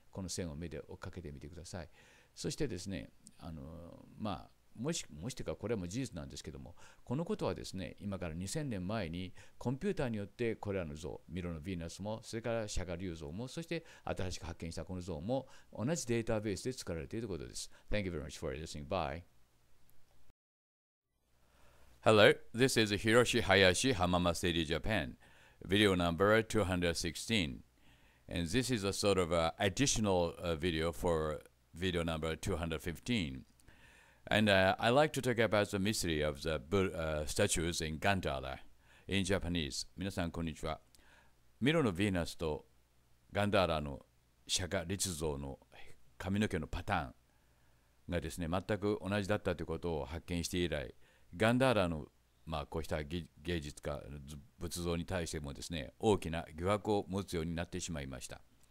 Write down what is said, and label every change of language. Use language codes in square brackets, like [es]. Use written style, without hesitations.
[ja] この線を目で追っかけてみてください。そしてですね、まあ、もしというかこれも事実なんですけども、このことはですね、今から2000年前にコンピューターによってこれらの像、ミロのヴィーナスも、それから釈迦立像も、そして新しく発見したこの像も同じデータベースで作られているということです。 [en] Thank you very much for listening. Bye. Hello, this is Hiroshi Hayashi, Hamama City, Japan. Video number 216. And this is a sort of additional video for video number 215. And I like to talk about the mystery of the statues in Gandhara in Japanese. [ja] 皆さん、こんにちは。ミロのヴィーナスとガンダーラの釈迦立像の髪の毛のパターンがですね、全く同じだったということを発見して以来、ガンダーラのまあ、こうした芸術家仏像に対してもですね、大きな疑惑を持つようになってしまいました。